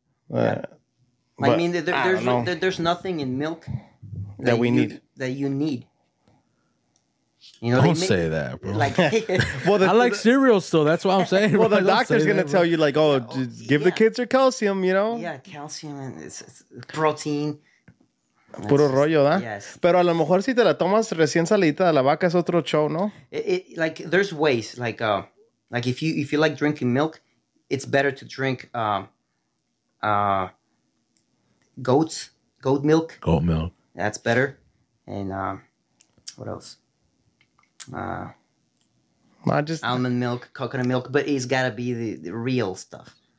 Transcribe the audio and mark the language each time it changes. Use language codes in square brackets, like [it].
[en] Yeah. There's nothing in milk that we need. That you need. You know, don't say that, bro. Like, I like cereal still. That's what I'm saying. Well, the doctor's going to tell you, like, give the kids their calcium, you know? Yeah, calcium and it's protein. [es] Puro rollo, ¿eh? [en] Yes. [es] Pero a lo mejor si te la tomas recién salita de la vaca es otro show, ¿no? [en] Like, there's ways. Like if you like drinking milk, it's better to drink goat milk. Goat milk. That's better. And what else? Almond milk, coconut milk, but it's got to be the real stuff.